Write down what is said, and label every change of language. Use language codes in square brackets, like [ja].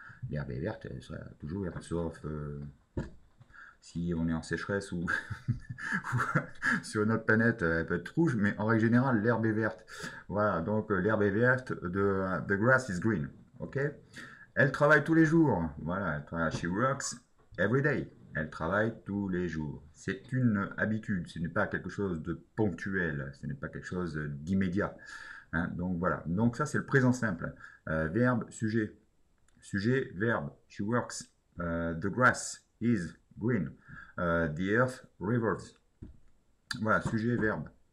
[fr] L'herbe est verte, elle sera toujours verte, sauf si on est en sécheresse ou sur une autre planète, elle peut être rouge, mais en règle générale, l'herbe est verte. Voilà, donc l'herbe est verte, [en] the grass is green. [fr] Ok? Elle travaille tous les jours. [en] Voilà, she works every day. [fr] Elle travaille tous les jours. C'est une habitude. Ce n'est pas quelque chose de ponctuel. Ce n'est pas quelque chose d'immédiat. Hein? Donc voilà. Donc ça, c'est le présent simple. Verbe, sujet. Sujet, verbe. [en] She works. The grass is green. The earth revolves. [fr] Voilà, sujet, verbe.